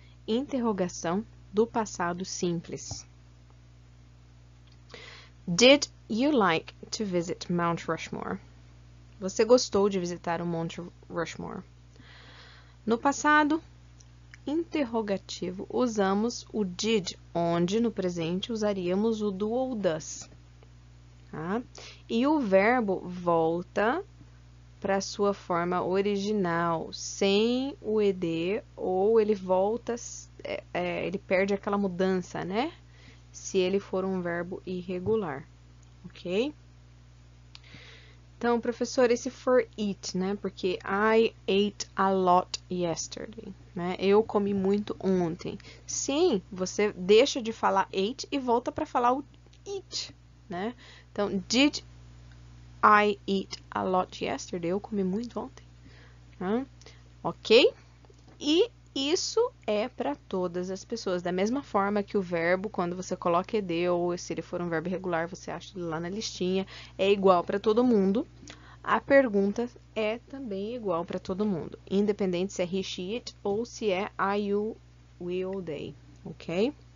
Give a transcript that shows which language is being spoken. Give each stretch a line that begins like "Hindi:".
Portuguese: Interrogação do passado simples.
English: Did you like to visit Mount Rushmore?
Portuguese: Você gostou de visitar o Monte Rushmore? No passado interrogativo, usamos o did, onde no presente usaríamos o do ou does. Tá? E o verbo volta para sua forma original, sem o ed, ou ele volta, ele perde aquela mudança, né? Se ele for um verbo irregular, ok? Então, professor, esse for eat, né?
English: Porque I ate a lot yesterday, né?
Portuguese: Eu comi muito ontem. Sim, você deixa de falar ate e volta para falar o eat, né?
English: Então, did I eat a lot yesterday.
Portuguese: Eu comi muito ontem. Ok? E isso é para todas as pessoas. Da mesma forma que o verbo, quando você coloca ed ou se ele for um verbo irregular, você acha ele lá na listinha, é igual para todo mundo. A pergunta é também igual para todo mundo. Independente se é he, she, it ou se é I, you, we, or they. Ok?